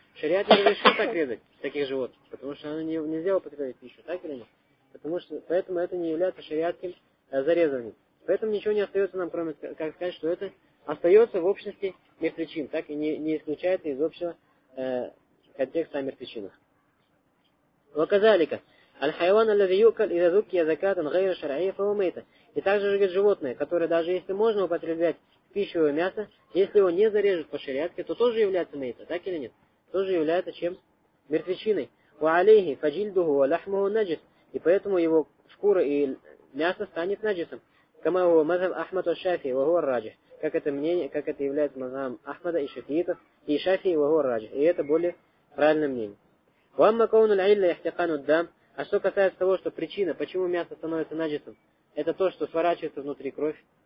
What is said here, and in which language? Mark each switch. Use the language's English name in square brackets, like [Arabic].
[Russian] Шариат не разрешил так резать таких животных, потому что оно нельзя употреблять пищу. Так или нет? Потому что... Поэтому это не является шариатским зарезанием. Поэтому ничего не остается нам, кроме как сказать, что это остается в общности мертвечин. Так и не исключается из общего контекста о мертвечинах. [Arabic] وَكَذَلِكَ الحيوان الذي يؤكل إذا ذكي زكاة غير شرعية فهو ميت. [Russian] И также же говорит, животное, которое даже если можно употреблять в пищу и мясо, если его не зарежут по шариатке, то тоже является мейта, так или нет? Тоже является чем? Мертвечиной. [Arabic] وعليه فجلده ولحمه نجس. [Russian] И поэтому его шкура и мясо станет наджисом. [Arabic] كما هو مذهب أحمد والشافعي وهو الراجح. [Russian] Как это мнение, как это является мазхабом Ахмада и Шафиитов и Шафии [Arabic] وهو الراجح. [Russian] И это более правильное мнение. [Arabic] وأما كون العلة احتقان الدم. [Russian] А что касается того, что причина, почему мясо становится наджисом, это то, что сворачивается внутри кровь.